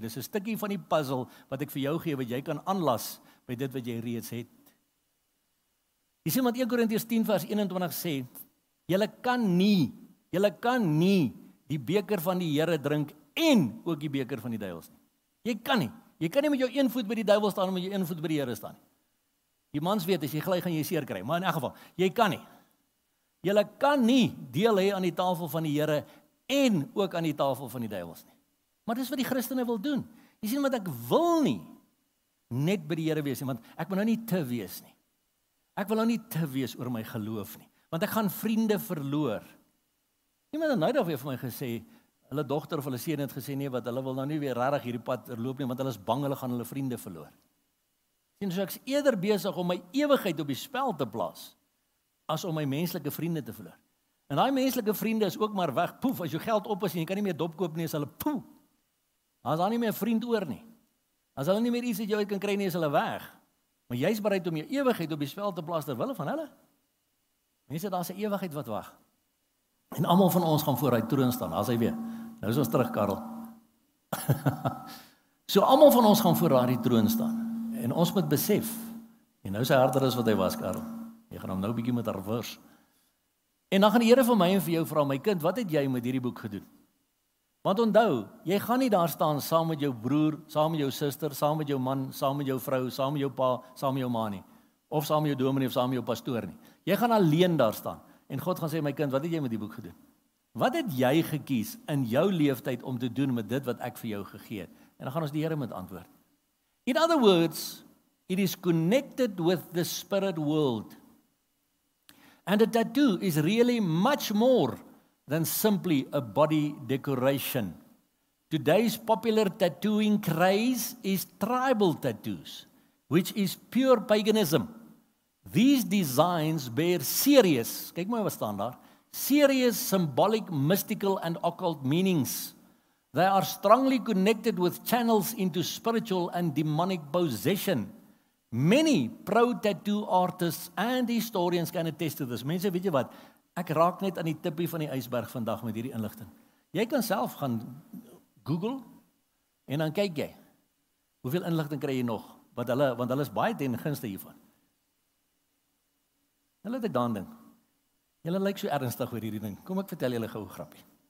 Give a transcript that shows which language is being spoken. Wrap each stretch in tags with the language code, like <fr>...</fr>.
<af>Dis 'n stukkie van die puzzel wat ek vir jou gee, wat jy kan aanlas by dit wat jy reeds het. Jy sê, want 1 Korintiërs 10 vers 21 sê, jylle kan nie die beker van die Here drink en ook die beker van die duivels nie. Jy kan nie. Jy kan nie met jou een voet by die duivel staan en met jou een voet by die Here staan. Die mans weet, as jy gly, gaan jy seer kry. Maar in elk geval, jy kan nie. Jy kan nie deel hê aan die tafel van die Here en ook aan die tafel van die duivels nie. Maar dis wat die Christene wil doen. Jy sien wat ek wil nie net by die Here wees nie, want ek wil nou nie te wees nie. Ek wil nou nie te wees oor my geloof nie, want ek gaan vriende verloor. Iemand het nou daar vir my gesê, hulle dogter of hulle seun het gesê nee, wat hulle wil nou nie weer regtig hierdie pad loop nie, want hulle is bang hulle gaan hulle vriende verloor. Sien, so ek is eerder besig om my ewigheid op die spel te plaas, as om my menslike vriende te verloor. En daai menslike vriende is ook maar weg, poef, as jou geld op is en jy kan nie meer dopkoop nie, is hulle poef. Dan is daar nie meer vriend oor nie. As hulle nie meer iets uit jou uit kan kry nie, is hulle weg. Maar jy is bereid om jou ewigheid op die spel te plaas terwille van hulle. Mense, daar is 'n ewigheid wat wag. En almal van ons gaan voor hy troon staan, as hy weer. Nou is ons terug, Karel. So almal van ons gaan voor daai troon staan. En ons moet besef, en nou is hy harder as wat hy was, Karel. Jy gaan hom nou 'n bietjie met hervors. En dan gaan die Here vir my en vir jou vra, my kind, wat het jy met hierdie boek gedoen? Want onthou, jy gaan nie daar staan saam met jou broer, saam met jou suster, saam met jou man, saam met jou vrou, saam met jou pa, saam met jou ma nie. Of saam met jou dominee of saam met jou pastoor nie. Jy gaan alleen daar staan. En God gaan sê, my kind, wat het jy met die boek gedoen? Wat het jy gekies in jou leeftyd om te doen met dit wat ek vir jou gegee het? En dan gaan ons die Here met antwoord.</af> <en>In other words, it is connected with the spirit world. And a tattoo is really much more than simply a body decoration. Today's popular tattooing craze is tribal tattoos, which is pure paganism. These designs bear serious,</en> <af>kyk mooi wat staan daar,</af> <en>serious symbolic, mystical and occult meanings. They are strongly connected with channels into spiritual and demonic possession. Many pro tattoo artists and historians can attest to this.</en> <af>Mense, weet jy wat? Ek raak net aan die tippie van die ijsberg vandag met hierdie inligting. Jy kan self gaan Google en dan kyk jy. Hoeveel inligting kry jy nog? Want hulle is baie ten gunste hiervan. Nou laat ek daan ding. Julle lyk so ernstig oor hierdie ding. Kom ek vertel julle gou 'n grappie.</af>